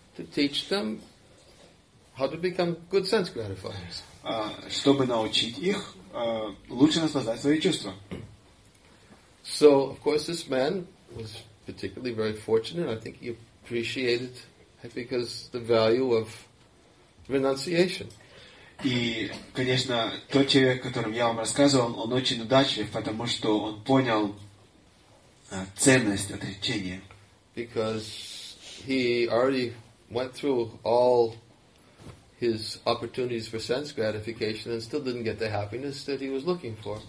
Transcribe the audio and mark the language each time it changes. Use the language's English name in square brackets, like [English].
[English] To teach them how to become good sense gratifiers. [Russian] Чтобы научить их лучше наслаждать свои чувства. [English] So, of course, this man was particularly very fortunate. I think he appreciated it because the value of renunciation. [Russian] И, конечно, тот человек, о котором я вам рассказывал, он очень удачлив, потому что он понял ценность отречения. [English] Because he already went through all his opportunities for sense gratification and still didn't get the happiness that he was looking for.